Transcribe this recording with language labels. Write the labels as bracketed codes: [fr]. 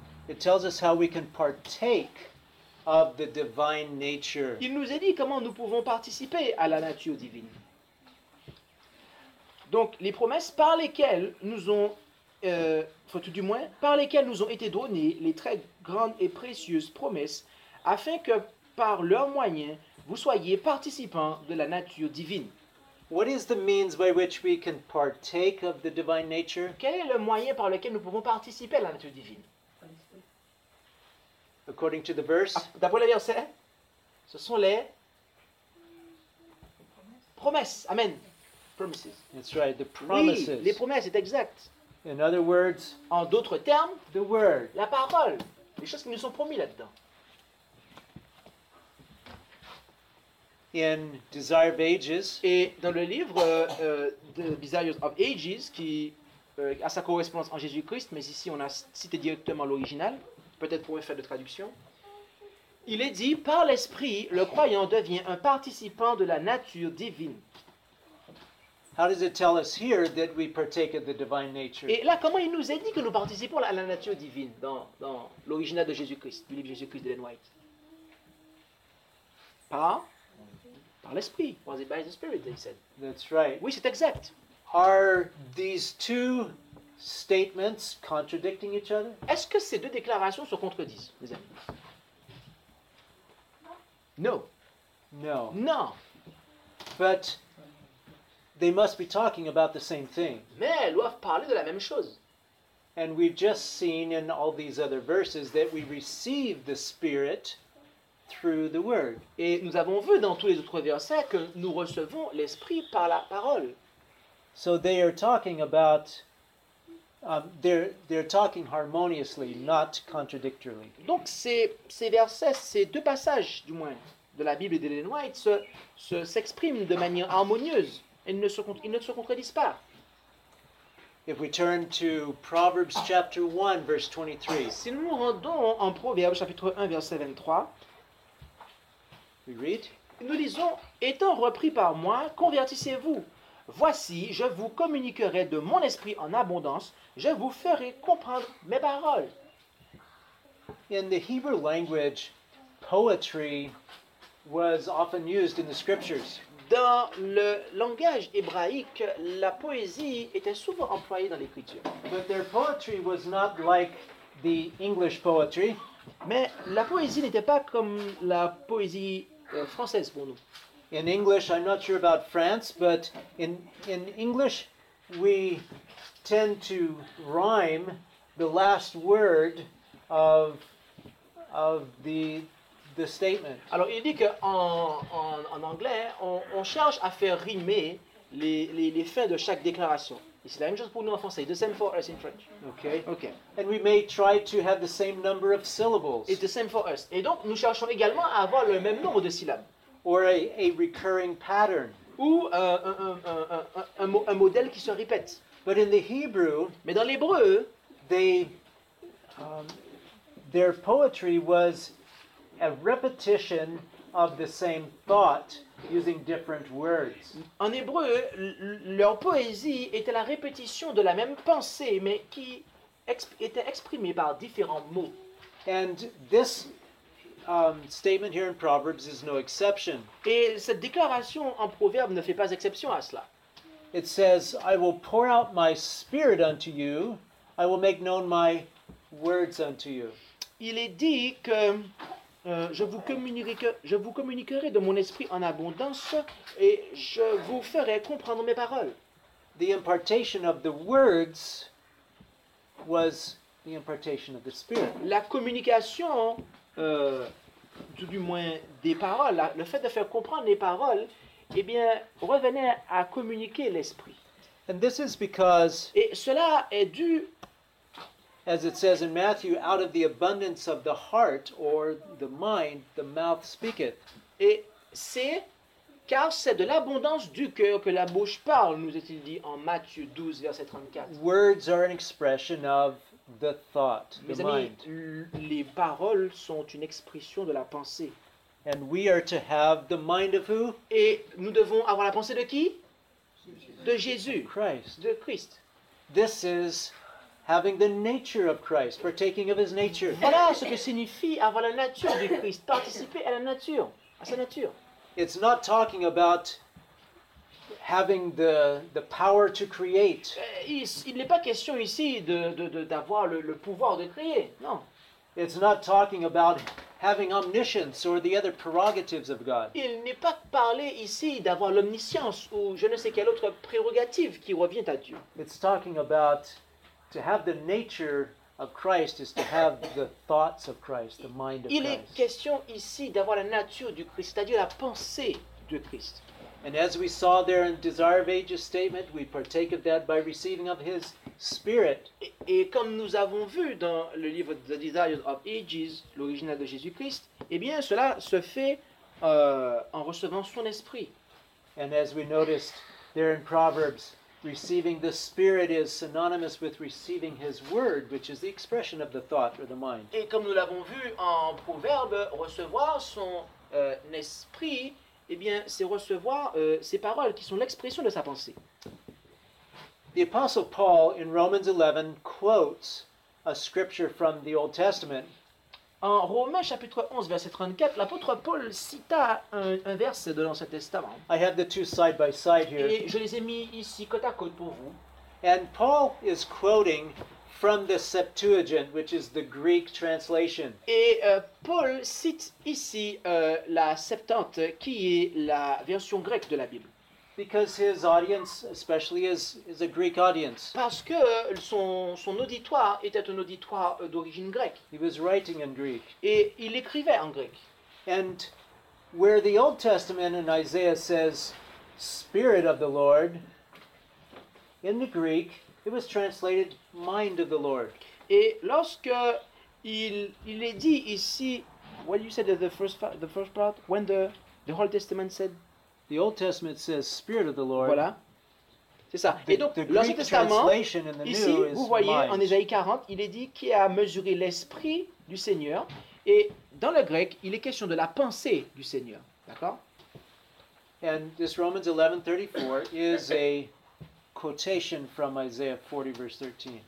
[en] it tells us how we can partake of the divine nature. [fr] Il nous est dit comment nous pouvons participer à la nature divine. Donc les promesses par lesquelles nous ont faut tout du moins, par lesquelles nous ont été données les très grandes et précieuses promesses, afin que par leurs moyens, vous soyez participants de la nature divine. [en] What is the means by which we can partake of the divine nature? [fr] Quel est le moyen par lequel nous pouvons participer à la nature divine? [en] According to the verse? [fr] D'après le verset, ce sont les promesses. Amen. [en] Promises. That's right, the promises. [fr] Oui, les promesses, c'est exact. [en] In other words, [fr] en d'autres termes, [en] the word, [fr] la parole, les choses qui nous sont promises là-dedans. [en] In Desire of Ages, [fr] et dans le livre The Desires of Ages, qui a sa correspondance en Jésus-Christ, mais ici on a cité directement l'original, peut-être pour un fait de traduction, il est dit, par l'esprit, le croyant devient un participant de la nature divine. [en] How does it tell us here that we partake of the divine nature? [fr] Et là, comment il nous est dit que nous participons à la nature divine dans l'original de Jésus-Christ, du livre Jésus-Christ d'Ellen White? Par l'esprit. [en] Was it by the spirit, they said. That's right. [fr] Oui, c'est exact. [en] Are these two statements contradicting each other? [fr] Est-ce que ces deux déclarations se contredisent, mes amis? [en] No. No. [fr] Non. [en] But they must be talking about the same thing. [fr] Mais elles doivent parler de la même chose. [en] And we've just seen in all these other verses that we receive the Spirit through the Word. [fr] Et nous avons vu dans tous les autres versets que nous recevons l'Esprit par la parole. [en] So they are talking about they're talking harmoniously, not contradictorily. [fr] Donc ces versets, ces deux passages du moins de la Bible et d'Ellen White s'expriment de manière harmonieuse. Ils ne se contredisent pas. [en] If we turn to Proverbs chapter 1, verse 23. [fr] Si nous nous rendons en Proverbes chapitre 1, verset 23. We read. Nous lisons, « Étant repris par moi, convertissez-vous. Voici, je vous communiquerai de mon esprit en abondance. Je vous ferai comprendre mes paroles. » [en] In the Hebrew language, poetry was often used in the scriptures. [fr] Dans le langage hébraïque, la poésie était souvent employée dans l'écriture. [en] But their poetry was not like the English poetry. [fr] Mais la poésie n'était pas comme la poésie française pour nous. [en] In English, I'm not sure about France, but in English, we tend to rhyme the last word of the statement. [fr] Alors, il dit qu'en anglais, on cherche à faire rimer les fins de chaque déclaration. Et c'est la même chose pour nous en français. [en] The same for us in French. Okay. Okay. And we may try to have the same number of syllables. It's the same for us. [fr] Et donc, nous cherchons également à avoir le même nombre de syllabes. [en] Or a recurring pattern. [fr] Ou un modèle qui se répète. [en] But in the Hebrew, [fr] mais dans l'hébreu, [en] their poetry was a repetition of the same thought using different words. [fr] En hébreu, leur poésie était la répétition de la même pensée, mais qui était exprimée par différents mots. [en] And this statement here in Proverbs is no exception. [fr] Et cette déclaration en Proverbes ne fait pas exception à cela. [en] It says, I will pour out my spirit unto you, I will make known my words unto you. [fr] Il est dit que je vous communiquerai de mon esprit en abondance et je vous ferai comprendre mes paroles. [en] The impartation of the words was the impartation of the spirit. [fr] La communication tout du moins des paroles, le fait de faire comprendre les paroles, eh bien, revenait à communiquer l'esprit. [en] And this is because, [fr] et cela est dû, [en] as it says in Matthew, out of the abundance of the heart or the mind, the mouth speaketh. [fr] Et c'est car c'est de l'abondance du cœur que la bouche parle, nous est-il dit en Matthieu 12, verset 34. [en] Words are an expression of the thought, the [fr] mes amis, [en] mind. [fr] Les paroles sont une expression de la pensée. [en] And we are to have the mind of who? [fr] Et nous devons avoir la pensée de qui? De Jésus. [en] Christ. [fr] De Christ. [en] This is having the nature of Christ, partaking of his nature. [fr] Voilà ce que signifie avoir la nature du Christ, participer à la nature, à sa nature. [en] It's not talking about having the power to create. [fr] Il n'est pas question ici d'avoir le pouvoir de créer, non. [en] It's not talking about having omniscience or the other prerogatives of God. [fr] Il n'est pas parlé ici d'avoir l'omniscience ou je ne sais quelle autre prérogative qui revient à Dieu. [en] It's talking about to have the nature of Christ is to have the thoughts of Christ, the mind of Christ. [fr] Il est question ici d'avoir la nature du Christ, c'est-à-dire la pensée de Christ. [en] And as we saw there in Desire of Ages statement, we partake of that by receiving of his spirit. [fr] Et comme nous avons vu dans le livre The Desire of Ages, l'original de Jésus-Christ, eh bien cela se fait en recevant son esprit. [en] And as we noticed there in Proverbs, receiving the spirit is synonymous with receiving his word, which is the expression of the thought or the mind. [fr] Et comme nous l'avons vu en Proverbe, recevoir son esprit eh bien, c'est recevoir ces paroles qui sont l'expression de sa pensée. [en] The Apostle Paul in Romans 11 quotes a scripture from the Old Testament. [fr] En Romains chapitre 11 verset 34, l'apôtre Paul cita un verset de l'Ancien Testament. [en] I have the two side by side here. [fr] Et je les ai mis ici côte à côte pour vous. [en] And Paul is quoting from the Septuagint, which is the Greek translation. [fr] Et Paul cite ici la Septante, qui est la version grecque de la Bible. [en] Because his audience, especially, is a Greek audience. [fr] Parce que son auditoire était un auditoire d'origine grecque. [en] He was writing in Greek. [fr] Et il écrivait en grec. [en] And where the Old Testament in Isaiah says, "Spirit of the Lord," in the Greek, it was translated "Mind of the Lord." [fr] Et lorsque il est dit ici, [en] what you said the first part, when the Old Testament said. The Old Testament says "Spirit of the Lord." [fr] Voilà, c'est ça. Et donc, l'Ancien Testament, ici, vous voyez, en Ésaïe 40, il est dit qui a mesuré l'esprit du Seigneur. Et dans le grec, il est question de la pensée du Seigneur, d'accord? [en] And this Romans 11:34 is a quotation from Isaiah 40 verse 13.